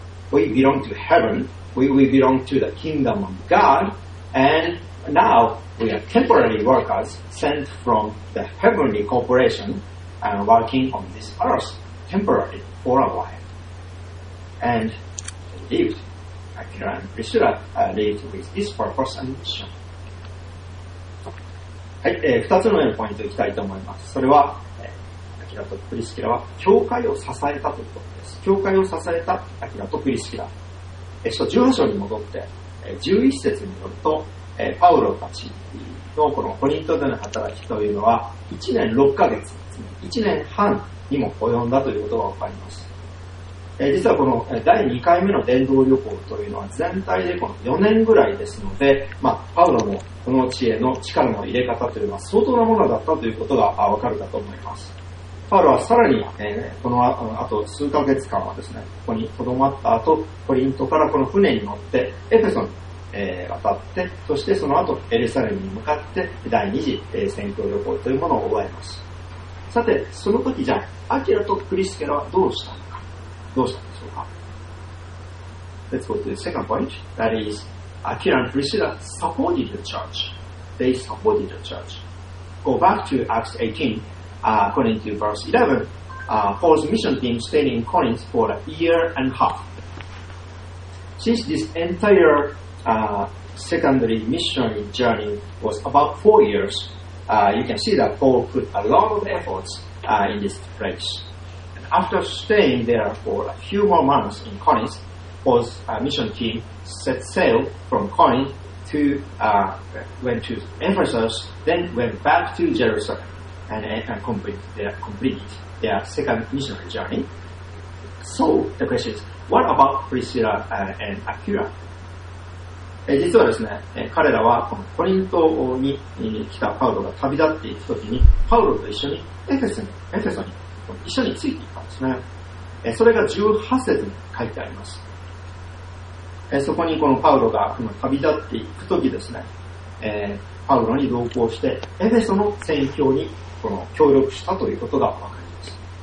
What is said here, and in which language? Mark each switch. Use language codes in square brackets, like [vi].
[en] We belong to heaven, we belong to the kingdom of God, and now we are temporary workers sent from the Heavenly Corporation and working on this earth temporarily for a while. And they lived. Aquila and Priscilla lived with this purpose and mission. [ja] はい、2つ目のポイントいきたいと思います。それは、アキラとプリスキラは教会を支えたということです。教会を支えたアキラとプリスキラ。18章に戻って、11節によると、パウロたちのこのコリントでの働きというのは、1年6ヶ月、ですね、1年半にも及んだということがわかります。実はこの第2回目の伝道旅行というのは全体でこの4年ぐらいですので、まあ、パウロのこの地への力の入れ方というのは相当なものだったということがわかるかと思います。パウロはさらに、このあと数ヶ月間はですね、ここに留まった後、コリントからこの船に乗ってエフェソに渡って、そしてその後エルサレムに向かって第2次宣教旅行というものを終えます。さて、その時じゃあ、アキラとプリスキラはどうしたのか。どうしたんでしょうか? [en] Let's go to the second point. That is, Aquila and Priscilla supported the church. They supported the church. Go back to Acts 18, according to verse 11. Paul's mission team stayed in Corinth for a year and a half. Since this entire secondary missionary journey was about 4 years, you can see that Paul put a lot of efforts in this place. After staying there for a few more months in Corinth, Paul's mission team set sail from Corinth to, went to Ephesus, then went back to Jerusalem and completed their second missionary journey. So the question is, what about Priscilla and Aquila? [ja] 実はですね、彼らはこのコリントに来たパウロが旅立っていくときに、パウロと一緒にエフェソに一緒についていたんですね。それが18節に書いてあります。そこにこのパウロが旅立っていくときですね、パウロに同行してエフェソの宣教にこの協力したということがわかります。